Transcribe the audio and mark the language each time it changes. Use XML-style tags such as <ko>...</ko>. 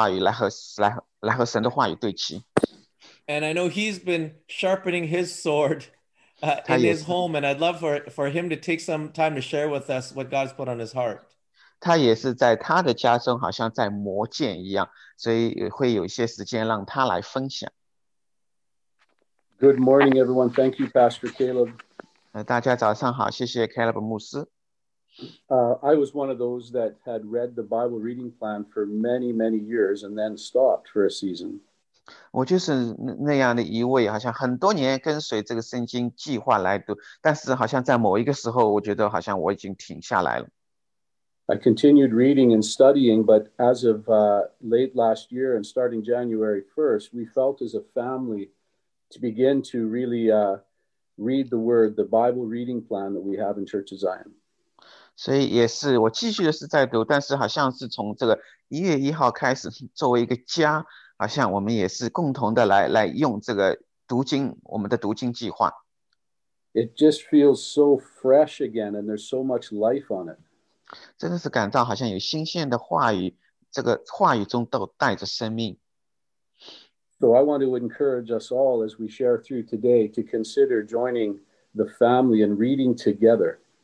<zh>怎样是在预言当中先知性的用神的话语来和神的话语对齐。</zh> <en>And I know he's been sharpening his sword in his home, and I'd love for him to take some time to share with us what God's put on his heart.</en> <zh>他也是在他的家中好像在磨剑一样，所以会有一些时间让他来分享。</zh> <en>Good morning, everyone. Thank you, Pastor Caleb.</en> <zh>大家早上好，谢谢Caleb牧师。</zh> <en>I was one of those that had read the Bible reading plan for many, many years and then stopped for a season.</en> <zh>我就是那样的一位，好像很多年跟随这个圣经计划来读，但是好像在某一个时候，我觉得好像我已经停下来了。</zh> <en>I continued reading and studying, but as of late last year and starting January 1st, we felt as a family to begin to really read the word, the Bible reading plan that we have in Church of Zion.</en> <zh>所以也是我继续的是在读，但是好像是从这个1月1号开始作为一个家，好像我们也是共同的来用这个读经，我们的读经计划。</zh> <en>It just feels so fresh again, and there's so much life on it.</en> <zh>真的是感到好像有新鲜的话语，这个话语中都带着生命。</zh> <en>So I want to encourage us all as we share through today to consider joining the family and reading together.</en>